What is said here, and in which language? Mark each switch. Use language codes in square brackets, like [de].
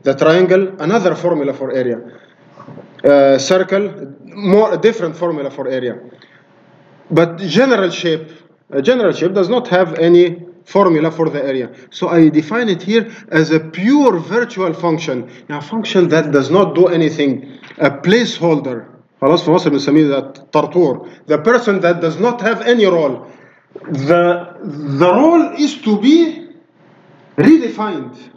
[en] The triangle, another formula for area. Circle, more a different formula for area. But general shape, a general shape does not have any formula for the area. So I define it here as a pure virtual function. A function that does not do anything. A placeholder. [ar] خلاص في مصر بنسميه طرطور. [en] The person that does not have any role. The role is to be redefined.